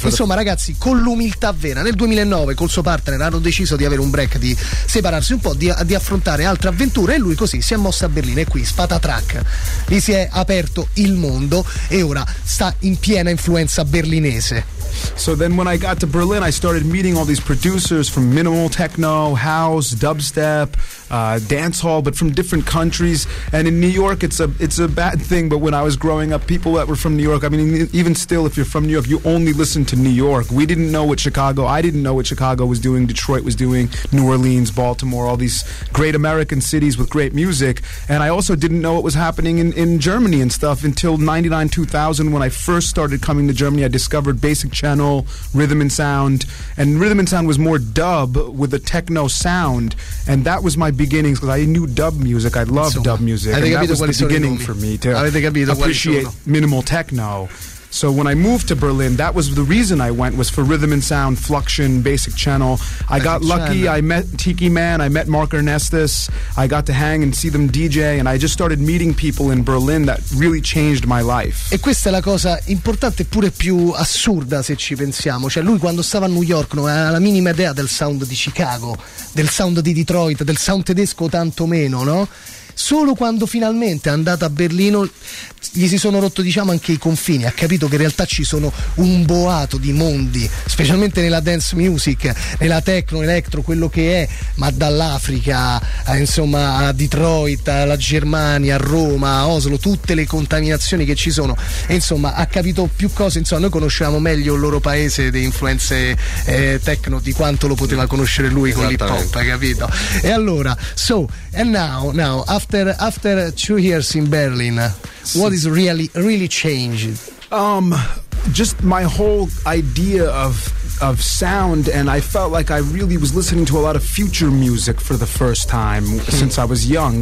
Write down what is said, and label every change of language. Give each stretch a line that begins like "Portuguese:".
Italian: Insomma, ragazzi, con l'umiltà vera, nel 2009 col suo partner hanno deciso di avere un break, di separarsi un po', di affrontare altre avventure, e lui così si è mossa a Berlino, e qui Sfatatrack gli si è aperto il mondo e ora sta in piena influenza berlinese.
English: So then when I got to Berlin, I started meeting all these producers from minimal techno, house, dubstep, dancehall, but from different countries. And in New York, it's a bad thing, but when I was growing up, people that were from New York, I mean, even still, if you're from New York, you only listen to New York. I didn't know what Chicago was doing, Detroit was doing, New Orleans, Baltimore, all these great American cities with great music. And I also didn't know what was happening in Germany and stuff until 99-2000, when I first started coming to Germany. I discovered Basic Channel, Rhythm and Sound, and Rhythm and Sound was more dub with a techno sound, and that was my beginnings, because I knew dub music, I loved dub music, and that was the beginning for me to appreciate minimal techno. So when I moved to Berlin, that was the reason I went, was for Rhythm and Sound, Fluxion, Basic Channel. I got lucky, I met Tiki Man, I met Mark Ernestus, I got to hang and see them DJ, and I just started meeting people in Berlin that really changed my life.
Italian: E questa è la cosa importante, pure più assurda se ci pensiamo. Cioè, lui quando stava a New York non aveva la minima idea del sound di Chicago, del sound di Detroit, del sound tedesco tanto meno, no? solo quando finalmente è andata a Berlino gli si sono rotto, diciamo, anche i confini, ha capito che in realtà ci sono un boato di mondi, specialmente nella dance music, nella techno, electro, quello che è, ma dall'Africa a, insomma, a Detroit, alla Germania, a Roma, a Oslo, tutte le contaminazioni che ci sono, e insomma ha capito più cose, insomma noi conoscevamo meglio il loro paese di influenze techno di quanto lo poteva conoscere lui con l'hip hop, capito? E allora,
English: so, and now after 2 years in Berlin, what is really changed? Just my whole idea of sound, and I felt like I really was listening to a lot of future music for the first time since I was young.